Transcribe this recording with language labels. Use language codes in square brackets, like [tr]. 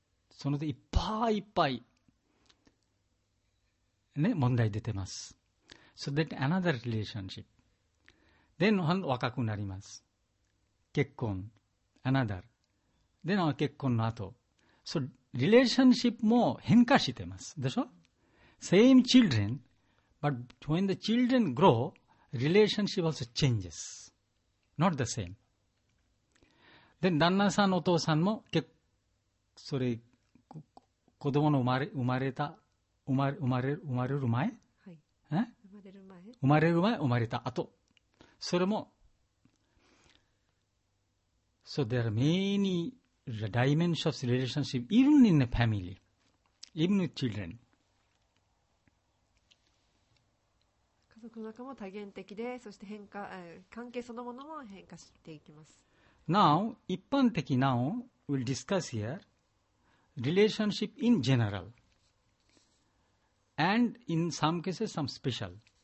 [ja] そのでいっぱいいっぱい、ね、問題出てます。 [en] So that another relationship. Then, [ja] 若くなります。結婚、another。Then, 結婚の後。 So,リレーションシップも変化してます。でしょ [en] ?Same children, but when the children grow, relationship also changes. Not the same. [ja] で、旦那さん、お父さんも、それ、子供の生まれた後、それも、 [en] So there are many. The dimensions of relationship, even in a family, even with children. [ja] 家族の中も多元的で、そして変化、関係そのものも変化していきます。 [en] Now, 一般的 now, we'll discuss here relationship in general and in some cases, some special.、